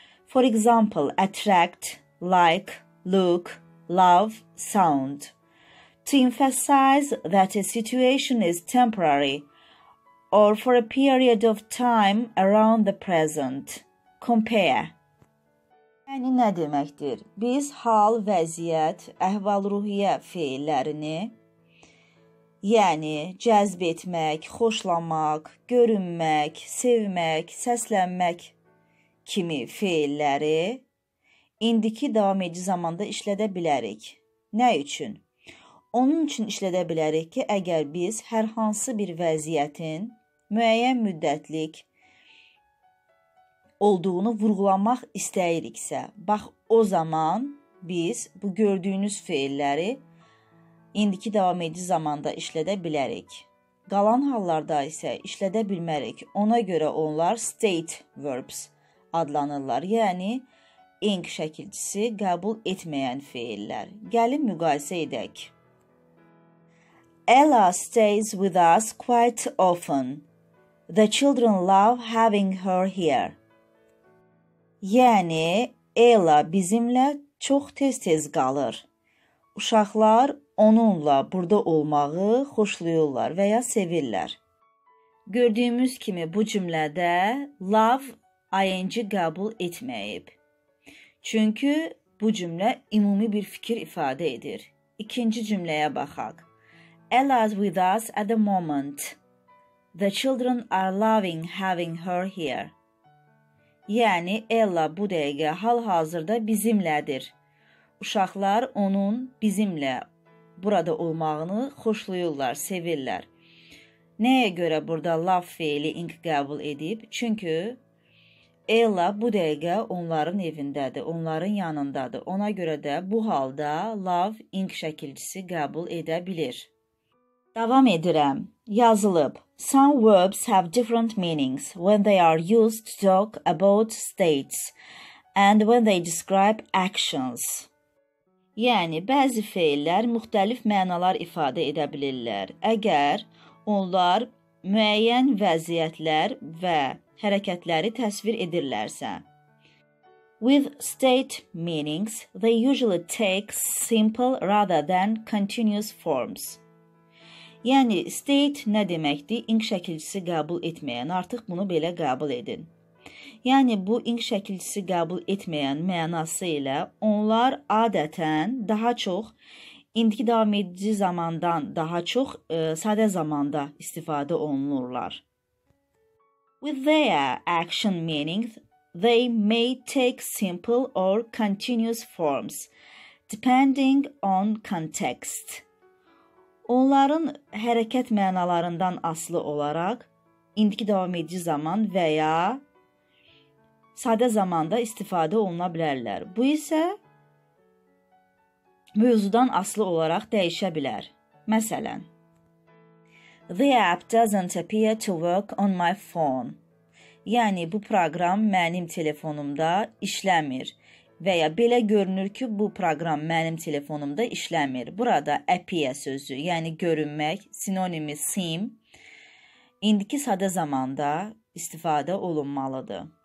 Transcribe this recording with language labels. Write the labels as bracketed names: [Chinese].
[English] For example, attract, like, look, love, sound. To emphasize that a situation is temporary, or for a period of time around the present. Compare. [Azerbaijani] Yəni nə deməkdir? Biz hal, vəziyyət, əhval-ruhiyyə fellərini, yəni cəzb etmək, xoşlamaq, görünmək, sevmək, səslənmək kimi fellərini indiki davam edici zamanda işlədə bilərik. Nə üçün? Onun üçün işlədə bilərik ki, əgər biz hər hansı bir vəziyyətin müəyyən müddətlik olduğunu vurğulamaq istəyiriksə, bax o zaman biz bu gördüyünüz fe'lləri indiki davam edici zamanda işlədə bilərik. Qalan hallarda isə işlədə bilmərik. Ona görə onlar state verbs adlanırlar, yəni ing şəkilçisi qəbul etməyən fe'llər. Gəlin müqayisə edək. [English] Ella stays with us quite often. The children love having her here. [Azerbaijani] Yəni, Ela bizimlə çox tez-tez qalır. Uşaqlar onunla burada olmağı xoşlayırlar və ya sevirlər. Gördüyümüz kimi bu cümlədə love ing qəbul etməyib. Çünki bu cümlə ümumi bir fikir ifadə edir. İkinci cümləyə baxaq. [English] Ella is with us at the moment. The children are loving having her here. [Azerbaijani] Yəni Ella bu dəqiqə hal-hazırda bizimlədir. Uşaqlar onun bizimlə burada olmağını xoşlayırlar, sevirlər. Nəyə görə burada love fe'li ing qəbul edib? Çünki Ella bu dəqiqə onların evindədir, onların yanındadır. Ona görə də bu halda love ing şəkilçisi qəbul edə bilir. Davam edirəm. Yazılıb. [English] Some verbs have different meanings when they are used to talk about states and when they describe actions. [Azerbaijani] Yəni, bəzi fellər müxtəlif mənalar ifadə edə bilirlər. Əgər onlar müəyyən vəziyyətlər və hərəkətləri təsvir edirlərsə. [English] With state meanings, they usually take simple rather than continuous forms. [Azerbaijani] Yəni, state nə deməkdir? İng şəkilçisi qəbul etməyən. Artıq bunu belə qəbul edin. Yəni, bu ing şəkilçisi qəbul etməyən mənası ilə onlar adətən daha çox indiki davam edici zamandan daha çox sadə zamanda istifadə olunurlar. [English] With their action meaning, they may take simple or continuous forms, depending on context. [Azerbaijani] Onların hərəkət mənalarından asılı olaraq indiki davam edici zaman və ya sadə zamanda istifadə oluna bilərlər. Bu isə mövzudan asılı olaraq dəyişə bilər. Məsələn, [English] The app doesn't appear to work on my phone. [Azerbaijani] Yəni, bu proqram mənim telefonumda işləmir və ya belə görünür ki, bu proqram mənim telefonumda işləmir. Burada appear sözü, yəni görünmək, sinonimi seem, indiki sadə zamanda istifadə olunmalıdır.